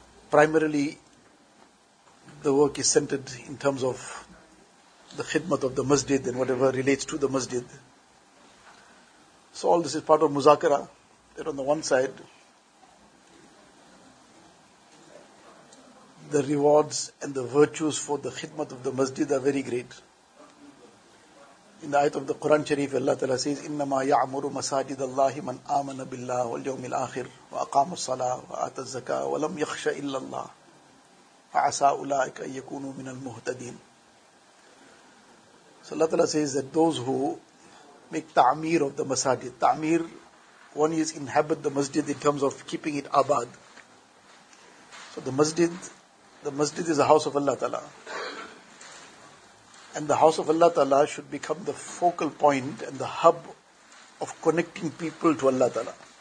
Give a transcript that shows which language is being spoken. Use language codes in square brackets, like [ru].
[en] Primarily, the work is centered in terms of the khidmat of the masjid and whatever relates to the masjid. So all this is part of muzakara, that on the one side, the rewards and the virtues for the khidmat of the masjid are very great. In the ayat of the Quran Sharif, Allah Ta'ala says, [ar] إِنَّمَا يَعْمُرُ مَسَاجِدَ اللَّهِ مَنْ آمَنَ بِاللَّهِ وَالْيَوْمِ الْآخِرِ وَأَقَامُ الصَّلَاةِ وَآتَ الزَّكَاةِ وَلَمْ يَخْشَ إِلَّا اللَّهِ فَعَسَىٰ أُولَٰئِكَ أَنْ يَكُونُوا مِنَ الْمُهْتَدِينَ. [en] So Allah Ta'ala says that those who make ta'mir of the masajid, ta'mir, one is inhabit the masjid in terms of keeping it abad. So the masjid is a house of Allah Ta'ala. And the house of Allah Ta'ala should become the focal point and the hub of connecting people to Allah Ta'ala.